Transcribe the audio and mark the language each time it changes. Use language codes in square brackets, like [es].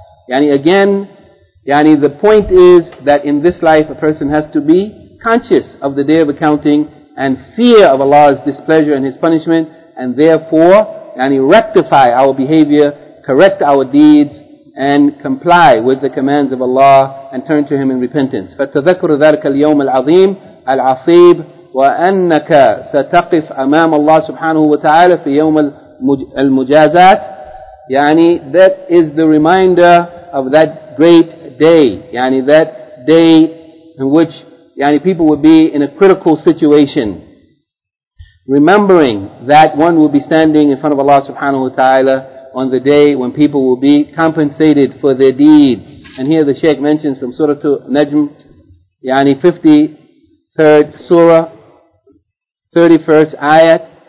[en] Yani again, yani the point is that in this life a person has to be conscious of the day of accounting and fear of Allah's displeasure and His punishment and therefore yani rectify our behavior, correct our deeds, and comply with the commands of Allah and turn to Him in repentance. [ar] فَتَذَكْرُ ذَلْكَ الْيَوْمَ الْعَظِيمِ الْعَصِيبِ وَأَنَّكَ سَتَقِفْ أَمَامَ اللَّهِ سُبْحَانَهُ وَتَعَالَى فِي يَوْمَ الْمُجَازَاتِ يعني [en] that is the reminder of that great day. يعني that day in which يعني people will be in a critical situation. Remembering that one will be standing in front of Allah subhanahu wa ta'ala on the day when people will be compensated for their deeds. And here the Shaykh mentions from Surah An-Najm, yani 53rd Surah, 31st Ayat.